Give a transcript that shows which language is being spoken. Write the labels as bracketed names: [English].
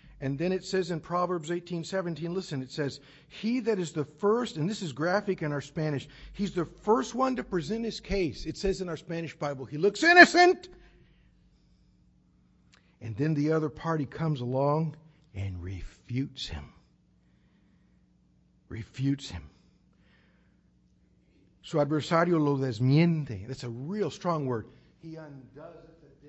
[English] And then it says in Proverbs 18:17, listen, it says, he that is the first, and this is graphic in our Spanish, he's the first one to present his case. It says in our Spanish Bible, he looks innocent. And then the other party comes along and refutes him. Refutes him. [Spanish] Su adversario lo desmiente. [English] That's a real strong word. He undoes it.